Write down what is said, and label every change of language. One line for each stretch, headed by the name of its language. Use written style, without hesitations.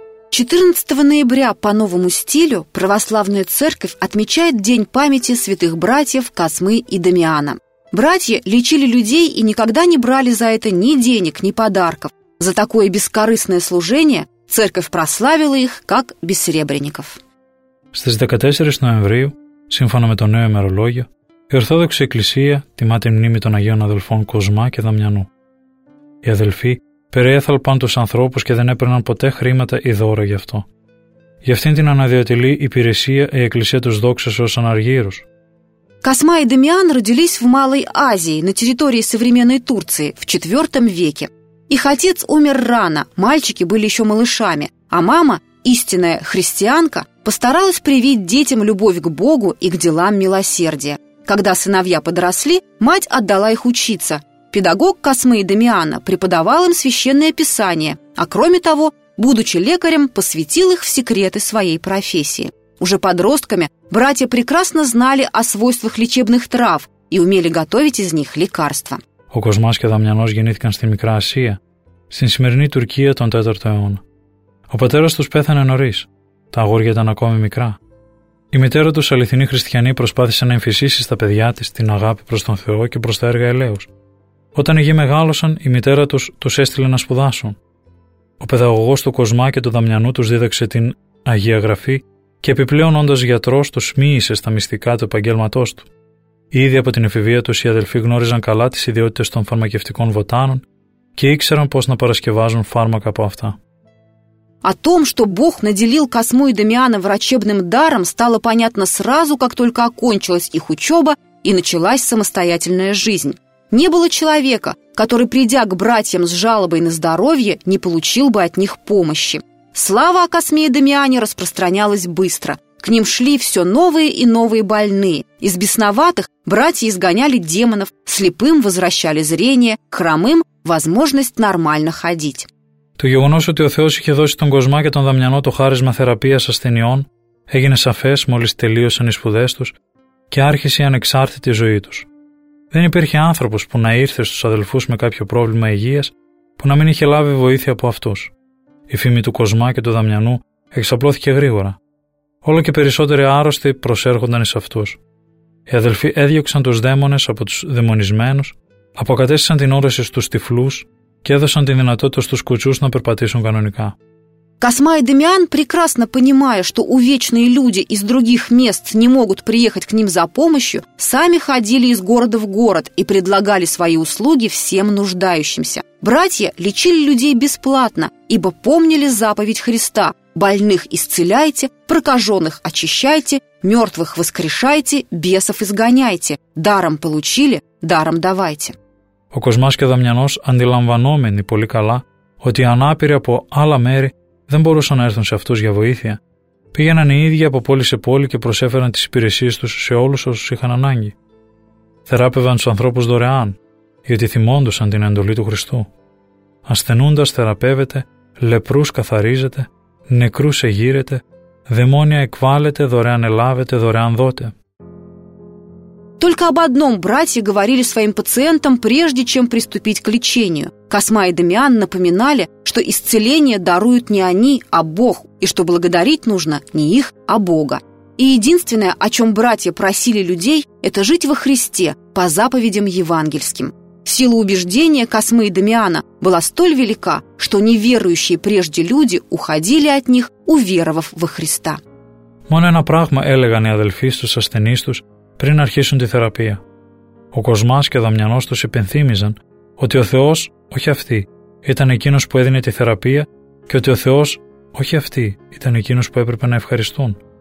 Russian: 14 ноября по новому стилю Православная Церковь отмечает День памяти святых братьев Козмы и Дамиана. Братья лечили людей и никогда не брали за это ни денег, ни подарков. За такое бескорыстное служение церковь прославила их как бессеребренников.
Greek: Στις 14 Νοεμβρίου, σύμφωνα με το νέο ημερολόγιο, η Ορθόδοξη Εκκλησία τιμά τη μνήμη των Αγίων Αδελφών Κοσμά και Δαμιανού. Οι αδελφοί περιέθαλπαν τους ανθρώπους και δεν έπαιρναν ποτέ χρήματα ή δώρα γι' αυτό. Γι' αυτήν την αναδιατηλή υπηρεσία η Εκκλησία τους δόξασε ως αναργύρους.
Russian: Козма и Дамиан родились в Малой Азии, на территории современной Турции, в IV веке. Их отец умер рано, мальчики были еще малышами, а мама, истинная христианка, постаралась привить детям любовь к Богу и к делам милосердия. Когда сыновья подросли, мать отдала их учиться. Педагог Козмы и Дамиана преподавал им священное писание, а кроме того, будучи лекарем, посвятил их в секреты своей профессии. Уже подростками братья прекрасно знали о свойствах лечебных трав и умели готовить из них лекарства.
Greek: Ο Κοσμάς και Δαμιανός γεννήθηκαν στη Μικρά Ασία, στην σημερινή Τουρκία τον 4ο αιώνα. Ο πατέρας τους πέθανε νωρίς. Τα αγόρια ήταν ακόμη μικρά. Η μητέρα τους, αληθινή χριστιανή, προσπάθησε να εμφυσίσει στα παιδιά της την αγάπη προς τον Θεό και προς τα έργα ελέους. Όταν οι γιοι μεγάλωσαν, η μητέρα τους έστειλε να σπουδάσουν. Ο παιδαγωγός του Κοσμά και του Δαμιανού τους δίδαξε την Αγία Γραφή. Και επιπλέον, όντας γιατρός, τους μίλησε στα μυστικά του επαγγέλματός του. Ήδη από την εφηβεία τους οι αδελφοί γνώριζαν καλά τις ιδιότητες των φαρμακευτικών βοτάνων και ήξεραν πώς να παρασκευάζουν φάρμακα από αυτά.
Russian: О том, что Бог наделил Козму и Дамиана врачебным даром, стало понятно сразу, как только окончилась их учеба и началась самостоятельная жизнь. Не было человека, который, придя к братьям с жалобой на здоровье, не получил бы от них помощи. Слава о Козме и Дамиане распространялась быстро. К ним шли все новые и новые больные. Из бесноватых братья изгоняли демонов, слепым возвращали зрение, хромым – возможность нормально ходить.
Greek: Το γεγονός ότι ο Θεός είχε δώσει τον Κοσμά και τον Δαμιανό το χάρισμα θεραπείας ασθενειών έγινε σαφές μόλις τελείωσαν οι σπουδές τους και άρχισε η ανεξάρτητη ζωή τους. Δεν υπήρχε άνθρωπος που να ήρθε στους αδελφούς με κάποιο πρόβλημα υγείας που να μην είχε λάβει βοήθεια από αυτούς. Η φήμη του Κοσμά και του Δαμιανού εξαπλώθηκε γρήγορα. Όλο και περισσότεροι άρρωστοι προσέρχονταν εις αυτούς. Οι αδελφοί έδιωξαν τους δαίμονες από τους δαιμονισμένους, αποκατέστησαν την όρεση στους τυφλούς και έδωσαν τη δυνατότητα στους κουτσούς να περπατήσουν κανονικά.
Russian: Козма и Дамиан, прекрасно понимая, что увечные люди из других мест не могут приехать к ним за помощью, сами ходили из города в город и предлагали свои услуги всем нуждающимся. Братья лечили людей бесплатно, ибо помнили заповедь Христа больных исцеляйте, прокаженных очищайте, мертвых воскрешайте, бесов изгоняйте, даром получили, даром давайте».
Greek: Ο Κοσμάς και ο Δαμιανός, αντιλαμβανόμενοι πολύ καλά ότι οι ανάπηροι από άλλα μέρη δεν μπορούσαν να έρθουν σε αυτούς για βοήθεια, πήγαιναν οι ίδιοι από πόλη σε πόλη και προσέφεραν τις υπηρεσίες τους σε όλους όσους είχαν ανάγκη. Θεράπευαν τους ανθρώπους δωρεάν, γιατί θυμόντουσαν την εντολή του Χριστού. Ασθενούντας θεραπεύεται, λεπρούς καθαρίζεται, νεκρούς εγείρεται, δαιμόνια εκβάλλεται, δωρεάν ελάβεται, δωρεάν δότε.
Russian: Только об одном братья говорили своим пациентам, прежде чем приступить к лечению. Косма и Дамиан напоминали, что исцеление даруют не они, а Бог, и что благодарить нужно не их, а Бога. И единственное, о чем братья просили людей, это жить во Христе по заповедям евангельским. Сила убеждения Космы и Дамиана была столь велика, что неверующие прежде люди уходили от них, уверовав во Христа.
Greek: Моно ένα πράγμα έλεγαν οι αδελφοί στους ασθενείς τους πριν αρχίσουν τη θεραπεία. Ο Κοσμάς και ο Δαμιανός τους υπενθύμιζαν ότι ο Θεός, όχι αυτοί, ήταν εκείνος που έδινε τη θεραπεία και ότι ο Θεός, όχι αυτοί, ήταν εκείνος που έπρεπε να ευχαριστούν.